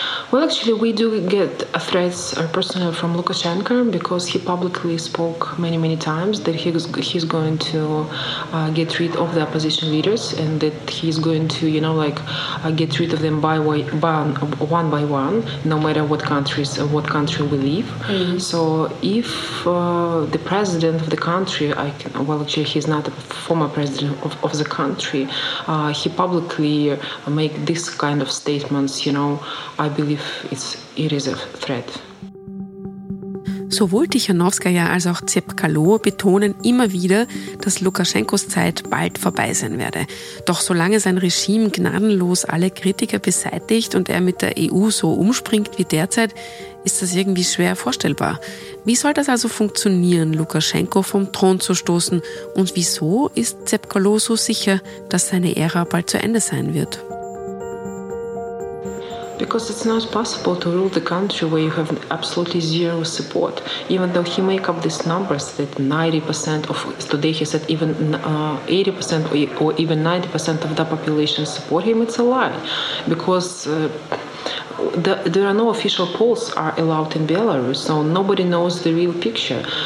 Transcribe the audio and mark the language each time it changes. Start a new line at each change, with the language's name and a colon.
English: Well, actually, we do get threats personally from Lukashenko because he publicly spoke many, many times that he's going to get rid of the opposition leaders and that he's going to, you know, like get rid of them one by one, no matter what countries or what country we live. Mm-hmm. So if the president of the country, he's not a former president of the country, he publicly make this kind of statements, you know, I believe it is a threat.
German: Sowohl Tichanowskaja als auch Tsepkalo betonen immer wieder, dass Lukaschenkos Zeit bald vorbei sein werde. Doch solange sein Regime gnadenlos alle Kritiker beseitigt und er mit der EU so umspringt wie derzeit, ist das irgendwie schwer vorstellbar. Wie soll das also funktionieren, Lukaschenko vom Thron zu stoßen? Und wieso ist Tsepkalo so sicher, dass seine Ära bald zu Ende sein wird?
English: Because it's not possible to rule the country where you have absolutely zero support. Even though he make up these numbers that 90% of, today he said even 80% or even 90% of the population support him, it's a lie. Because there are no official polls are allowed in Belarus, so nobody knows the real picture.